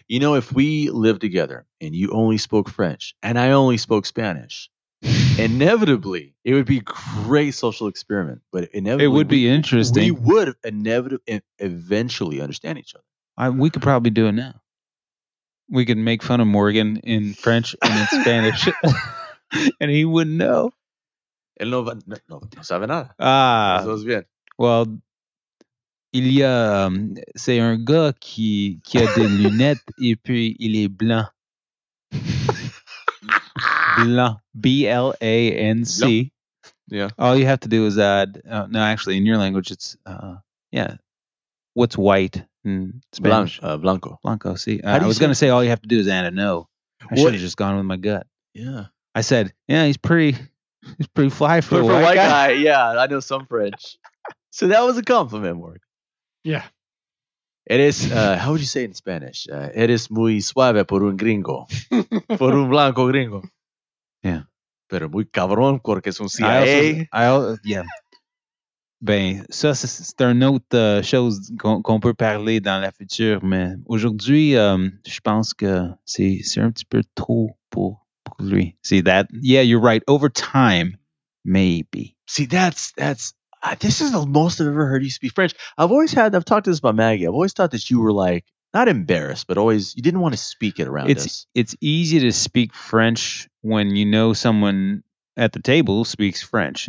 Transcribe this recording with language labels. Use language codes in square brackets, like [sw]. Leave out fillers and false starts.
[en] You know, if we lived together and you only spoke French and I only spoke Spanish, inevitably, it would be a great social experiment, but inevitably it would be interesting. We would eventually understand each other. We could probably do it now. We could make fun of Morgan in French and in Spanish, and he wouldn't know. [es] Él no sabe nada. Ah, todo bien. [fr] Well, il y a c'est un gars qui a des lunettes et puis il est blanc. Blanc. [en] Yeah. All you have to do is add. No, actually, in your language, it's what's white in Spanish? [es] Blanco. [en] Blanco. See, I was going to say all you have to do is add a no. I should have just gone with my gut. Yeah. I said, he's pretty fly for a white guy. Yeah, I know some French. So that was a compliment, Mark. Yeah. It is, how would you say it in Spanish? [es] Eres muy suave por un gringo. Por un blanco gringo. [en] Yeah. [es] Pero muy cabrón porque es un CIA. [fr] Ben, ça, c'est une autre chose qu'on peut parler dans la future, mais aujourd'hui, je pense que c'est un petit peu trop pour lui. [en] See that? Yeah, you're right. Over time, maybe. See, that's... this is the most I've ever heard you speak French. I've talked to this about Maggie. I've always thought that you were like, not embarrassed, but always, you didn't want to speak it around us. It's easy to speak French when you know someone at the table speaks French.